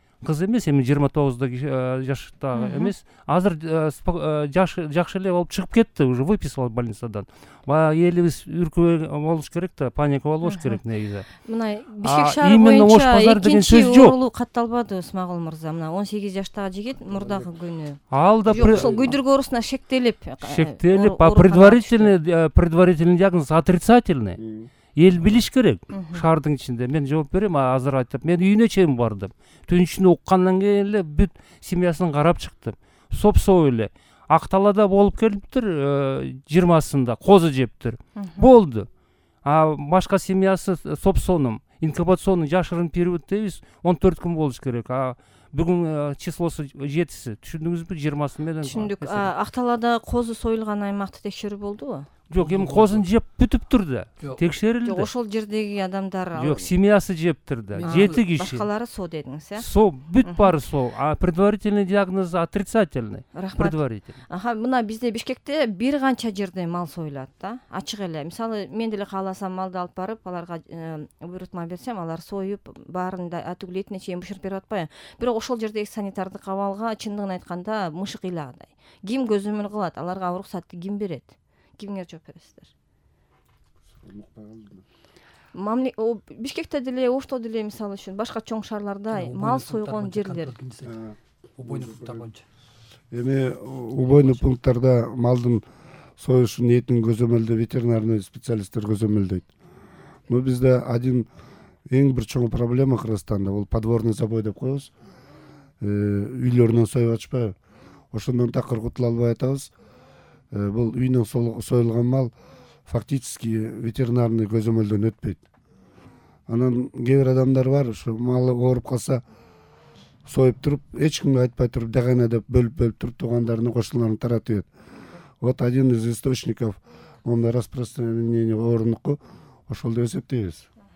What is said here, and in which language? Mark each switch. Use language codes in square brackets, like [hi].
[ky] Кыз эмес, эми 29 жаштагы эмес, азыр жакшы эле болуп чыгып кетти, [ru] уже выписал [ky] больницадан. Баягы элибиз үркүбөгөн болуш керек да, паника болбош керек негизи. Мына Бишкек шаарында Ош базар деген сөз жок. Ошол оорулуу катталбады Смагул мырза, мына 18 жаштагы жигит мурдагы күнү. Ал да күйдүргө оорусуна шектелип. Шектелип, [ru] а предварительный диагноз отрицательный. [ky] Эл билиш керек шаардын ичинде. Мен жооп берем, азыр айтып, мен үйүнө чейин бардым. Түн ичинде уккандан кийин эле бүт семьясын карап чыктым. Сопсой эле. Ак талаада болуп келиптир 20-сында, козу жептир. Болду. А башка семьясы сопсонум, инкубационный жашырын период дейбиз, 14 күн болуш керек. А бүгүн числосу 7-си, түшүндүңүзбү? 20-сы менен. Түшүндүк. Ак талаада козу союлган аймакты текшерүү болдубу? Жок, эми козун жеп бүтүптүр да. Текшерилди. Жок, ошол жердеги адамдар. Жок, семьясы жептир да. 7 киши. Башкалары соо дедиңиз, э? Соо, бүт бары соо. [ru] А предварительный диагноз отрицательный. [ky] Рахмат. [ru] Предварительный. [ky] Ага, мына бизде Бишкекте бир канча жерде мал союлат да? Ачык эле. Мисалы, мен деле кааласам малды алып барып, аларга буйрутма берсем, алар союп, баарын да түгүл этине чейин бышырып берип атпайбы? Бирок ошол жердеги санитардык абалга чындыгын айтканда мышык ыйлагандай. Ким көзөмөл кылат? Аларга уруксатты ким берет? Кимге жооп бересиздер? Бишкекте деле, Ошто деле, мисалы үчүн башка чоң шаарларда мал союлган жерлер. Убойный пункттар боюнча. Эми убойный пункттарда малдын союшун ниетин көзөмөлдөй, ветеринарный специалисттер көзөмөлдөйт. Но бизде один эң бир чоң проблема Кыргызстанда, бул подворный забой деп коебуз. Үйлөрүнөн союп атышпайбы? Ошондон такыр кутула албай атабыз. Бул үйүнөн союлган мал фактически ветеринарный көзөмөлдөн өтпөйт. Анан кээ бир адамдар бар, ушу малы ооруп калса союп туруп, эч кимге айтпай туруп, дагана деп бөлүп-бөлүп туруп туугандарына кошуналарын таратып берет. [ru] Вот один из источников [ky] ондой [ru] распространение [ky] оорунуку ошол деп эсептейбиз.